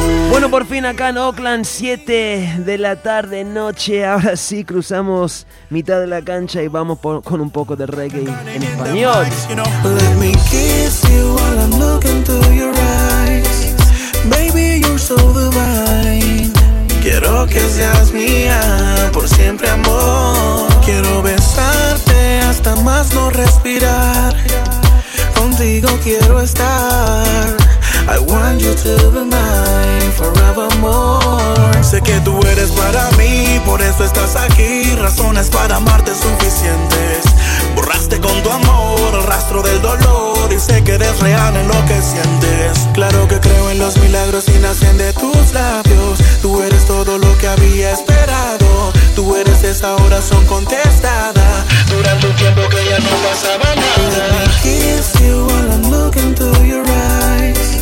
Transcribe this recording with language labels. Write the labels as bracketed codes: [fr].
[es] Bueno, por fin acá en Oakland, 7 de la tarde, noche. Ahora sí, cruzamos mitad de la cancha y vamos con un poco de reggae en español. [en] Let me kiss you while I'm looking to your eyes. Baby, you're so divine. [es] Quiero que seas mía, por siempre amor. Quiero besarte hasta más no respirar. Contigo quiero estar. [en] I want you to be mine forevermore. [es] Sé que tú eres para mí, por eso estás aquí. Razones para amarte suficientes. Borraste con tu amor el rastro del dolor. Y sé que eres real en lo que sientes. Claro que creo en los milagros y nacen de tus labios. Tú eres todo lo que había esperado. Tú eres esa oración contestada. Durante un tiempo que ya no pasaba nada. [en] Let me kiss you while I'm looking to your eyes.